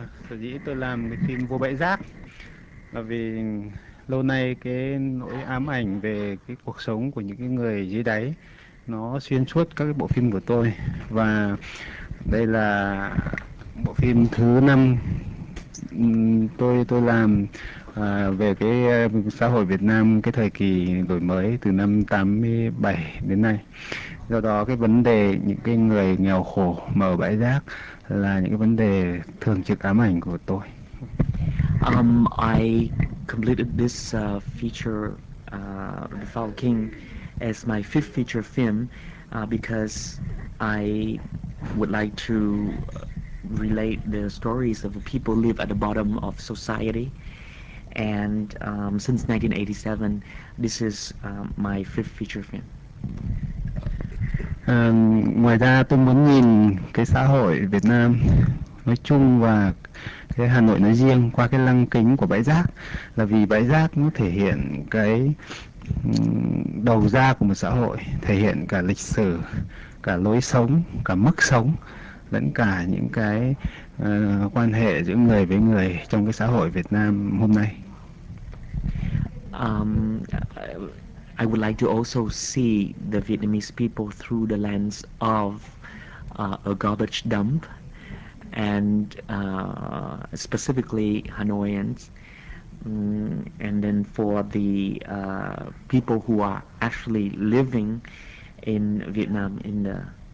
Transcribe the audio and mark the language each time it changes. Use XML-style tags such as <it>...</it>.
<vi>Sở dĩ tôi làm cái phim Vua Bãi Rác là vì lâu nay cái nỗi ám ảnh về cái cuộc sống của những cái người dưới đáy nó xuyên suốt các cái bộ phim của tôi, và đây là bộ phim thứ 5 tôi làm về cái xã hội Việt Nam cái thời kỳ đổi mới từ năm 87 đến nay. Do đó cái vấn đề những cái người nghèo khổ mà ở bãi rác là những cái vấn đề thường trực ám ảnh của tôi.</vi> <en>I completed this feature, The Foul King, as my fifth feature film because I would like to relate the stories of people live at the bottom of society. And since 1987, this is my fifth feature film.</en> <vi>Ngoài ra tôi muốn nhìn cái xã hội Việt Nam nói chung và cái Hà Nội nói riêng qua cái lăng kính của bãi rác, là vì bãi rác nó thể hiện cái đầu ra của một xã hội, thể hiện cả lịch sử, cả lối sống, cả mức sống, lẫn cả những cái quan hệ giữa người với người trong cái xã hội Việt Nam hôm nay.</vi> <en>I would like to also see the Vietnamese people through the lens of a garbage dump, and specifically Hanoians. And then for the people who are actually living in Vietnam, in the</en>